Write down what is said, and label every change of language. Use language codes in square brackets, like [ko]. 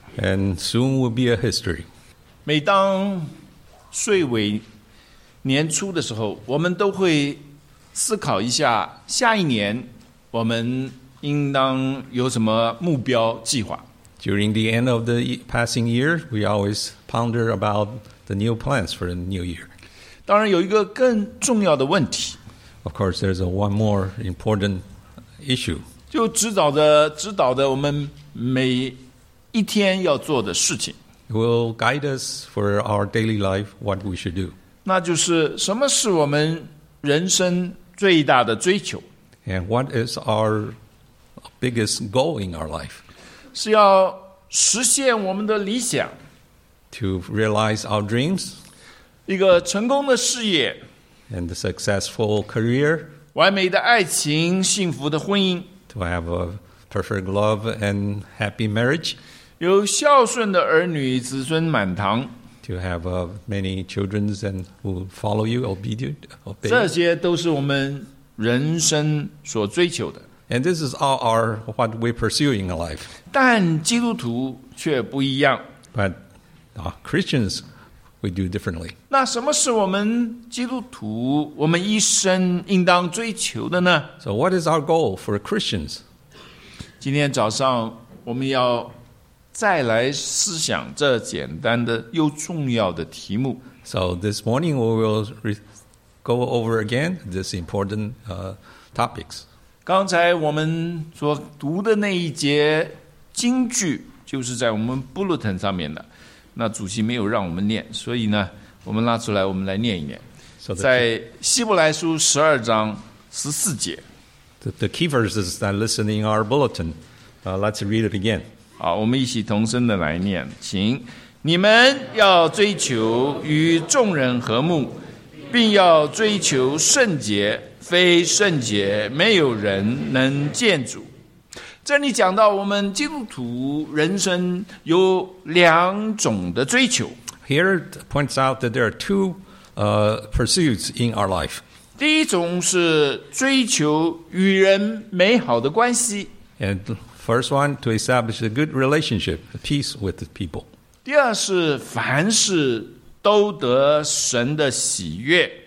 [en] And soon will be a history. [zh] 每当岁尾年初的时候，我们都会思考一下下一年我们应当有什么目标计划。 [en] During the end of the passing year, we always ponder about the new plans for the new year. [zh] 当然有一个更重要的问题。 [en] Of course, there's one more important issue. [zh] 就指导着我们每一天要做的事情。 [en] It will guide us for our daily life, what we should do. [zh] 那就是什么是我们人生最大的追求。 [en] And what is our biggest goal in our life? [zh] 是要实现我们的理想 [en] ，to realize our dreams， [zh] 一个成功的事业 [en] ，and a successful career， [zh] 完美的爱情，幸福的婚姻 [en] ，to have a perfect love and happy marriage， [zh] 有孝顺的儿女，子孙满堂 [en] ，to have many children and who follow you obedient， [zh] 这些都是我们人生所追求的。 [en] And this is all our what we pursue in life. [zh] 但基督徒却不一样。 [en] But Christians, we do differently. [zh] 那什么是我们基督徒我们一生应当追求的呢？ [en] So what is our goal for Christians? [zh] 今天早上我们要再来思想这简单的又重要的题目。 [en] So this morning we will go over again this important topics. [zh] 刚才我们所读的那一节经句就是在我们 bulletin 上面的，那主席没有让我们念，所以呢我们拉出来我们来念一念，在希伯来书12:14。 [en] The key verse is that listening our bulletin. Let's read it again. [zh] 好，我们一起同声的来念，请。你们要追求与众人和睦，并要追求圣洁，非圣洁没有人能见主。这里讲到我们基督徒人生有两种的追求。 [en] Here it points out that there are two pursuits in our life. [zh] 第一种是追求与人美好的关系。 [en] And first one, to establish a good relationship, peace with the people. [zh] 第二是凡事都得神的喜悦。